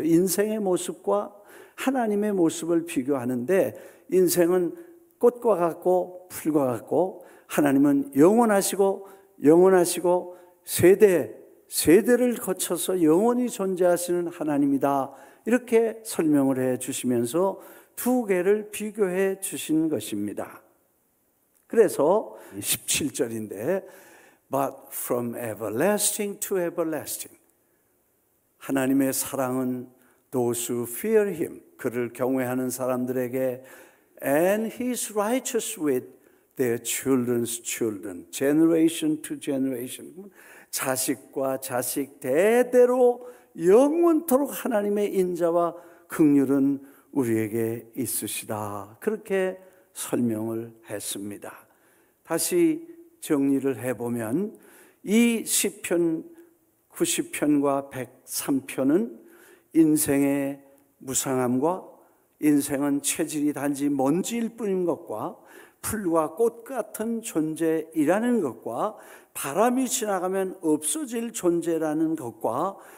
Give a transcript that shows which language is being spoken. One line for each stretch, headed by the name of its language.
Korean: 인생의 모습과 하나님의 모습을 비교하는데 인생은 꽃과 같고 풀과 같고 하나님은 영원하시고 영원하시고 세대를 거쳐서 영원히 존재하시는 하나님이다. 이렇게 설명을 해 주시면서 두 개를 비교해 주신 것입니다. 그래서 17절인데
English: But from everlasting to everlasting
Korean: 하나님의 사랑은
English: those who fear him
Korean: 그를 경외하는 사람들에게
English: And he is righteous with their children's children generation to generation
Korean: 자식과 자식 대대로 영원토록 하나님의 인자와 긍휼은 우리에게 있으시다 그렇게 설명을 했습니다. 다시 정리를 해보면 이 시편 90편과 103편은 인생의 무상함과 인생은 체질이 단지 먼지일 뿐인 것과 풀과 꽃 같은 존재이라는 것과 바람이 지나가면 없어질 존재라는 것과